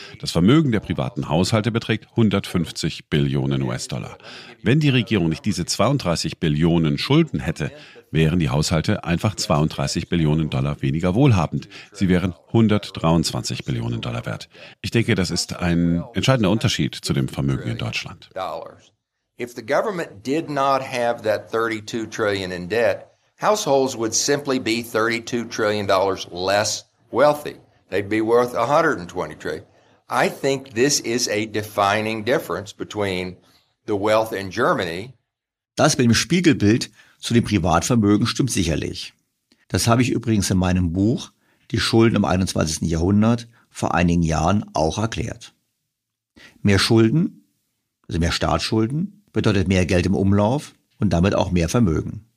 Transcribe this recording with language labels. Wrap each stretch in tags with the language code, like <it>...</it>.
<de>Das Vermögen der privaten Haushalte beträgt 150 Billionen US-Dollar. Wenn die Regierung nicht diese 32 Billionen Schulden hätte, wären die Haushalte einfach 32 Billionen Dollar weniger wohlhabend. Sie wären 123 Billionen Dollar wert. Ich denke, das ist ein entscheidender Unterschied zu dem Vermögen in Deutschland.</de> <en>If the government did not have that $32 trillion in debt, households would simply be $32 trillion less wealthy. They'd be worth $120 trillion. I think this is a defining difference between the wealth in Germany.</en> <de>Das mit dem Spiegelbild zu dem Privatvermögen stimmt sicherlich. Das habe ich übrigens in meinem Buch Die Schulden im 21. Jahrhundert vor einigen Jahren auch erklärt. Mehr Schulden, also mehr Staatsschulden, bedeutet mehr Geld im Umlauf und damit auch mehr Vermögen.</de>